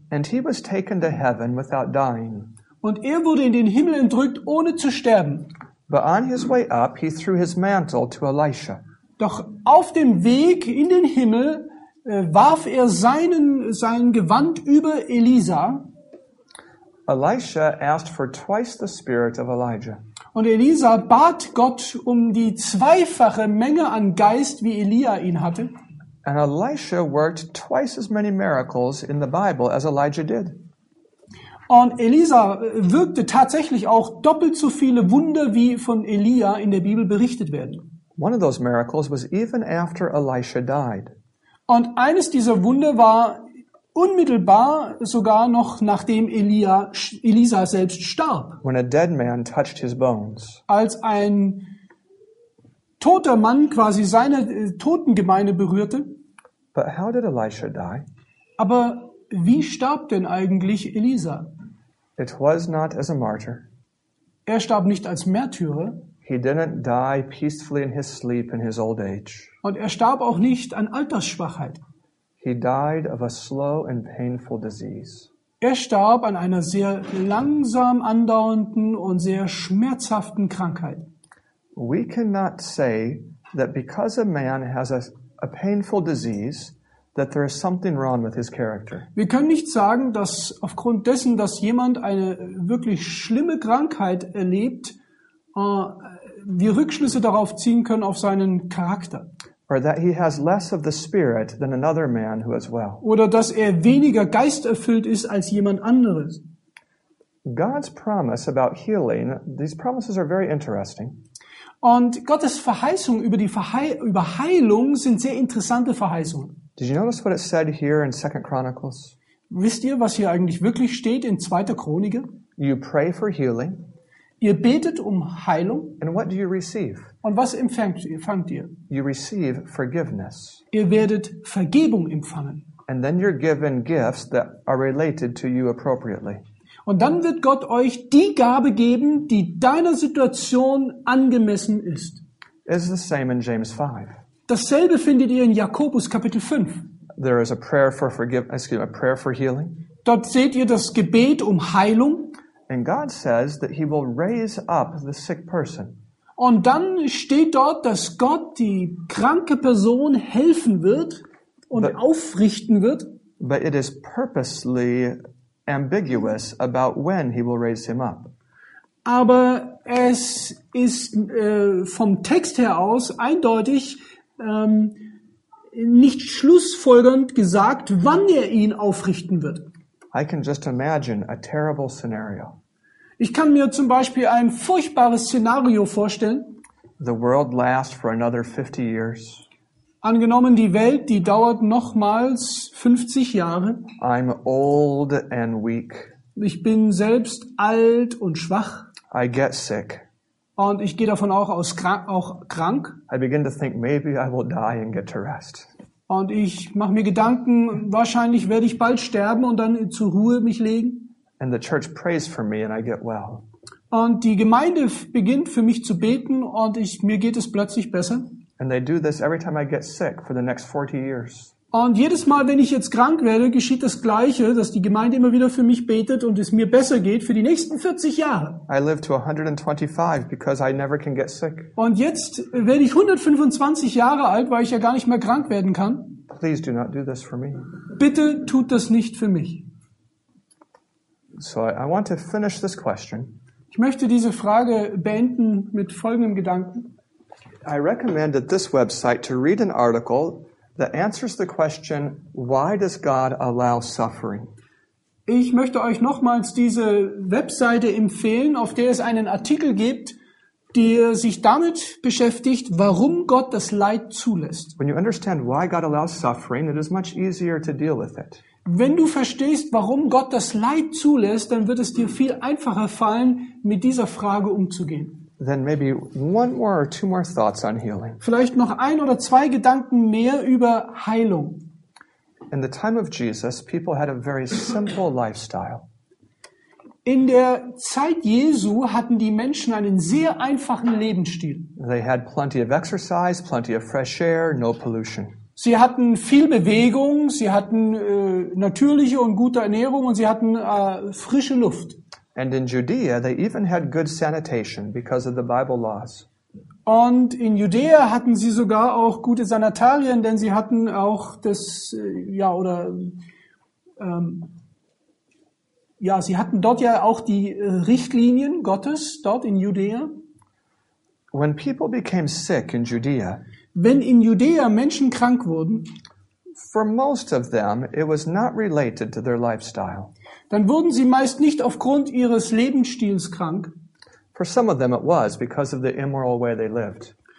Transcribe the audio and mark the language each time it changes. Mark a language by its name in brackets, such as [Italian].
[English] And he was taken to heaven without dying. [German] Und er wurde in den Himmel entrückt, ohne zu sterben. [English] But on his way up, he threw his mantle to Elisha. [German] Doch auf dem Weg in den Himmel warf er sein Gewand über Elisa. [English] Elisha asked for twice the spirit of Elijah. [German] Und Elisa bat Gott um die zweifache Menge an Geist, wie Elia ihn hatte. [English] And Elisha worked twice as many miracles in the Bible as Elijah did. [German] Und Elisa wirkte tatsächlich auch doppelt so viele Wunder, wie von Elia in der Bibel berichtet werden. [English] One of those miracles was even after Elisha died. [German] Und eines dieser Wunder war unmittelbar sogar noch, nachdem Elisa selbst starb. [English] When a dead man touched his bones. [German] Als ein toter Mann quasi seine Totengebeine berührte. [English] But how did Elisha die? [German] Aber wie starb denn eigentlich Elisa? [English] It was not as a martyr. [German] Er starb nicht als Märtyrer. [English] He didn't die peacefully in his sleep in his old age. [German] Und er starb auch nicht an Altersschwachheit. [English] He died of a slow and painful disease. [German] Er starb an einer sehr langsam andauernden und sehr schmerzhaften Krankheit. [English] We cannot say that because a man has a painful disease that there is something wrong with his character. [German] Wir können nicht sagen, dass aufgrund dessen, dass jemand eine wirklich schlimme Krankheit erlebt, wir Rückschlüsse darauf ziehen können auf seinen Charakter. [English] Or that he has less of the spirit than another man who is well. [German] Oder dass er weniger geisterfüllt ist als jemand anderes. [English] God's promise about healing, these promises are very interesting. [German] Und Gottes Verheißung über die über Heilung sind sehr interessante Verheißungen. [English] Did you notice what it said here in 2 Chronicles? [German] Wisst ihr, was hier eigentlich wirklich steht in 2. Chronik? [English] You pray for healing. [German] Ihr betet um Heilung. [English] And what do you receive? [German] Und was empfangt ihr? [English] You receive forgiveness. [German] Ihr werdet Vergebung empfangen. [English] And then you're given gifts that are related to you appropriately. [German] Und dann wird Gott euch die Gabe geben, die deiner Situation angemessen ist. [English] It's the same in James 5. [German] Dasselbe findet ihr in Jakobus Kapitel 5. [English] There is a prayer for a prayer for healing. [German] Dort seht ihr das Gebet um Heilung. [English] And God says that he will raise up the sick person. [German] Und dann steht dort, dass Gott die kranke Person helfen wird und aufrichten wird. [English] But it is purposely ambiguous about when he will raise him up. [German] Aber es ist vom Text her aus eindeutig nicht schlussfolgernd gesagt, wann er ihn aufrichten wird. [English] I can just imagine a terrible scenario. [German] Ich kann mir zum Beispiel ein furchtbares Szenario vorstellen. [English] The world lasts for another 50 years. [German] Angenommen, die Welt, die dauert nochmals 50 Jahre. [English] I'm old and weak. [German] Ich bin selbst alt und schwach. [English] I get sick. [German] Und ich gehe davon auch krank. [English] I begin to think maybe I will die and get to rest. [German] Und ich mache mir Gedanken, wahrscheinlich werde ich bald sterben und dann zur Ruhe mich legen. [English] And the church prays for me and I get well. [German] Und die Gemeinde beginnt für mich zu beten und mir geht es plötzlich besser. [English] And they do this every time I get sick for the next 40 years. [German] Und jedes Mal, wenn ich jetzt krank werde, geschieht das Gleiche, dass die Gemeinde immer wieder für mich betet und es mir besser geht für die nächsten 40 Jahre. [English] I live to 125 because I never can get sick. [German] Und jetzt werde ich 125 Jahre alt, weil ich ja gar nicht mehr krank werden kann. [English] Please do not do this for me. [German] Bitte tut das nicht für mich. [English] So I want to finish this question. [German] Ich möchte diese Frage beenden mit folgendem Gedanken. [English] I recommend at this website to read an article that answers the question, why does God allow suffering? [German] Ich möchte euch nochmals diese Webseite empfehlen, auf der es einen Artikel gibt, der sich damit beschäftigt, warum Gott das Leid zulässt. [English] When you understand why God allows suffering, it is much easier to deal with it. [German] Wenn du verstehst, warum Gott das Leid zulässt, dann wird es dir viel einfacher fallen, mit dieser Frage umzugehen. [English] Then maybe one more or two more thoughts on healing. [German] Vielleicht noch ein oder zwei Gedanken mehr über Heilung. [English] In the time of Jesus, people had a very simple lifestyle. [German] In der Zeit Jesu hatten die Menschen einen sehr einfachen Lebensstil. [English] They had plenty of exercise, plenty of fresh air, no pollution. [German] Sie hatten viel Bewegung, sie hatten natürliche und gute Ernährung und sie hatten frische Luft. [English] And in Judea they even had good sanitation because of the Bible laws. [German] Und in Judäa hatten sie sogar auch gute Sanitarien, denn sie hatten auch sie hatten dort ja auch die Richtlinien Gottes dort in Judäa. [English] When people became sick in Judea, [German] wenn in Judäa Menschen krank wurden, [English] for most of them it was not related to their lifestyle. [German] Dann wurden sie meist nicht aufgrund ihres Lebensstils krank. [English] For some of them it was because of the immoral way they lived.